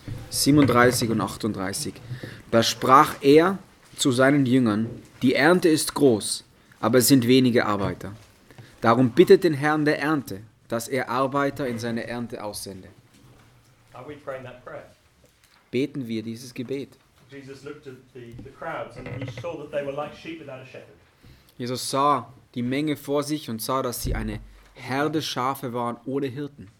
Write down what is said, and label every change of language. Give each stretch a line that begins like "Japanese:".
German: 37 und 38. Da sprach er zu seinen Jüngern: Die Ernte ist groß, aber es sind wenige Arbeiter. Darum bittet den Herrn der Ernte, dass er Arbeiter in seine Ernte aussende.
English: Are we praying that prayer?
German: Beten wir dieses Gebet?
English: Jesus looked at the crowds and he saw that they were like sheep without a shepherd.
German: Jesus sah die Menge vor sich und sah, dass sie eine Herde Schafe waren ohne Hirten.